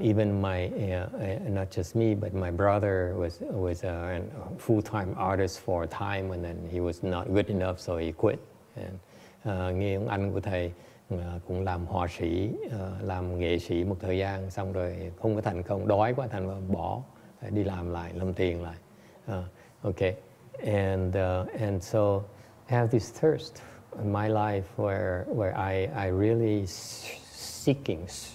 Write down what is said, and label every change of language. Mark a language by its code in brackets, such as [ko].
[en] Not just me, but my brother was a full-time artist for a time, and then he was not good enough, so he quit. [vi] And nghe ông anh của thầy cũng làm họa sĩ, làm nghệ sĩ một thời gian, xong rồi không có thành công, đói quá thành bỏ, đi làm lại, làm tiền lại. [en] Okay, and so I have this thirst in my life where I really seeking.